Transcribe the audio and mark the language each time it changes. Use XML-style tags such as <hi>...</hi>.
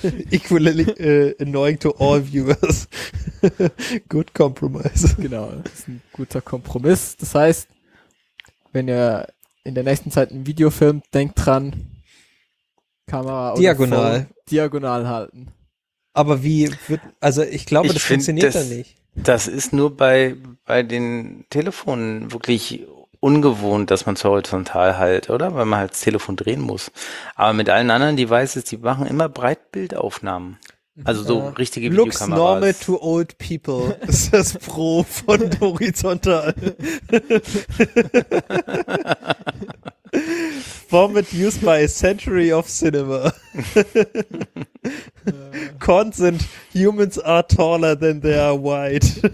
<en>Equally annoying to all viewers. Good compromise.</en> <de>Genau, das ist ein guter Kompromiss. Das heißt, wenn ihr in der nächsten Zeit ein Video filmt, denkt dran, Kamera diagonal. Oder Phone diagonal halten. Aber wie wird, also ich glaube, ich funktioniert das, dann nicht. Das ist nur bei den Telefonen wirklich ungewohnt, dass man es horizontal halt, oder? Weil man halt das Telefon drehen muss. Aber mit allen anderen Devices, die machen immer Breitbildaufnahmen. Also so richtige Videokameras.</de> <en>Looks normal to old people.</en> <de>Das ist das Pro von horizontal.</de> <en>Format used by a century of cinema. Cons</en> <de>sind</de> <en>humans are taller than they are wide.</en>